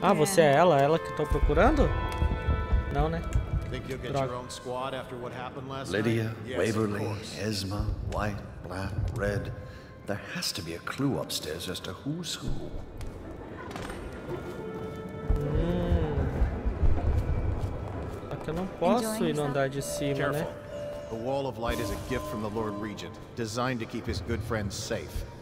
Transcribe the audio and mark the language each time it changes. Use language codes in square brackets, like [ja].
[pt] Ah, você é ela? Ela que eu tô procurando? Não, né? [en] Think you'll get your own squad after what happened last night? Lydia, Waverly, Esma, White, Black, Red. There has to be a clue upstairs as to who's who. [pt] É que eu não posso ir no andar de cima, [en] Careful. [pt] Né? [en] The Wall of Light is a gift from the Lord Regent, designed to keep his good friends safe.